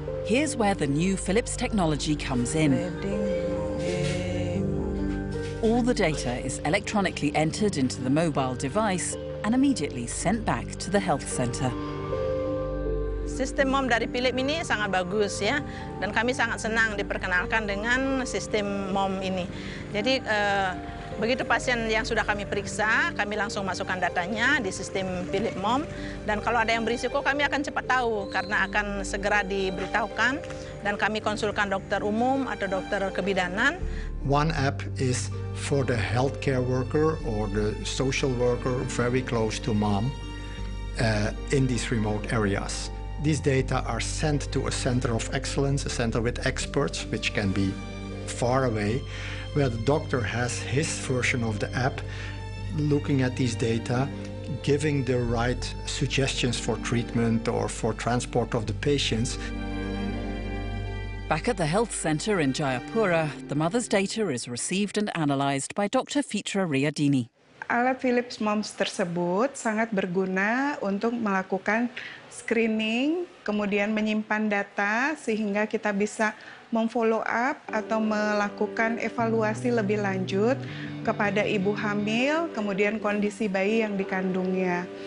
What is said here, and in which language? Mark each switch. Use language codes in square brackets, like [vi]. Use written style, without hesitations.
[en] Here's where the new Philips technology comes in. All the data is electronically entered into the mobile device and immediately sent back to the health center. [id] Sistem MOM dari Philips ini sangat bagus ya, dan kami sangat senang diperkenalkan dengan sistem MOM ini. Jadi begitu pasien yang sudah kami periksa, kami langsung masukkan datanya di sistem Philips MOM, dan kalau ada yang berisiko kami akan cepat tahu karena akan segera diberitahukan dan kami konsulkan dokter umum atau dokter kebidanan. [en] One app is for the healthcare worker or the social worker very close to mom in these remote areas. These data are sent to a center of excellence, a center with experts, which can be far away, where the doctor has his version of the app, looking at these data, giving the right suggestions for treatment or for transport of the patients. Back at the health center in Jayapura, the mother's data is received and analyzed by Dr. Fitra Riadini. [id] Alat Philips MOMS tersebut sangat berguna untuk melakukan screening, kemudian menyimpan data sehingga kita bisa memfollow up atau melakukan evaluasi lebih lanjut kepada ibu hamil, kemudian kondisi bayi yang dikandungnya.